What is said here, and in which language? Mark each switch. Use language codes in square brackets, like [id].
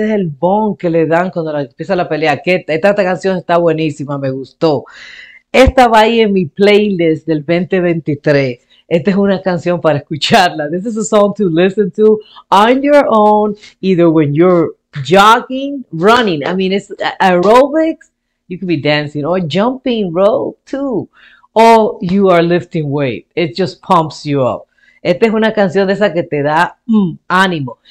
[es] Ese es el bong que le dan cuando empieza la pelea. Esta canción está buenísima, me gustó. Esta va ahí en mi playlist del 2023. Esta es una canción para escucharla. [en] This is a song to listen to on your own, either when you're jogging, running. I mean, it's aerobics. You could be dancing or jumping rope too. Or you are lifting weight. It just pumps you up. [es] Esta es una canción de esa que te da ánimo.